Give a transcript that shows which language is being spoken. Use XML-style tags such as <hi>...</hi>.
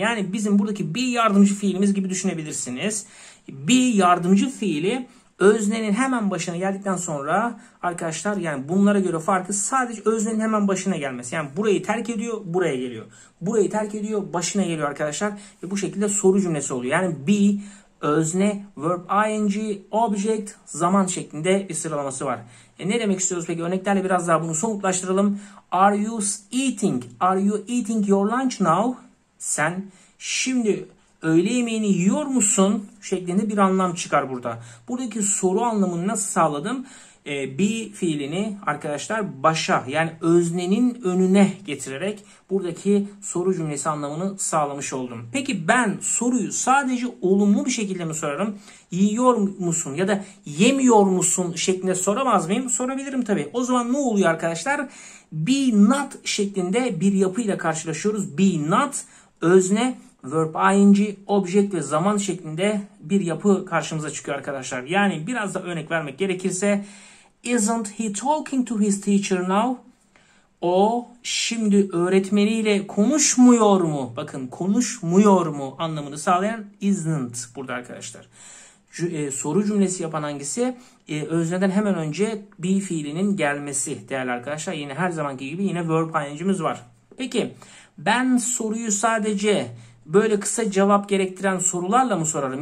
<tr>Yani bizim buradaki be yardımcı fiilimiz gibi düşünebilirsiniz. Be yardımcı fiili öznenin hemen başına geldikten sonra arkadaşlar yani bunlara göre farkı sadece öznenin hemen başına gelmesi. Yani burayı terk ediyor, buraya geliyor. Burayı terk ediyor, başına geliyor arkadaşlar. Ve bu şekilde soru cümlesi oluyor. Yani be özne, verb ing, object, zaman şeklinde bir sıralaması var. Ne demek istiyoruz peki? Örneklerle biraz daha bunu somutlaştıralım.</tr> <en>Are you eating? Are you eating your lunch now?</en> <tr>Sen şimdi öğle yemeğini yiyor musun? Şeklinde bir anlam çıkar burada. Buradaki soru anlamını nasıl sağladım? Be fiilini arkadaşlar başa yani öznenin önüne getirerek buradaki soru cümlesi anlamını sağlamış oldum. Peki ben soruyu sadece olumlu bir şekilde mi sorarım? Yiyor musun ya da yemiyor musun şeklinde soramaz mıyım? Sorabilirim tabii. O zaman ne oluyor arkadaşlar? Be not şeklinde bir yapıyla karşılaşıyoruz. Be not özne verb ing, object ve zaman şeklinde bir yapı karşımıza çıkıyor arkadaşlar. Yani biraz da örnek vermek gerekirse</tr> <en>isn't he talking to his teacher now?</en> <tr>O şimdi öğretmeniyle konuşmuyor mu? Bakın konuşmuyor mu anlamını sağlayan isn't burada arkadaşlar. Soru cümlesi yapan hangisi? Özneden hemen önce be fiilinin gelmesi değerli arkadaşlar. Yine her zamanki gibi yine verb ing'imiz var. Peki ben soruyu sadece böyle kısa cevap gerektiren sorularla mı sorarım?</tr>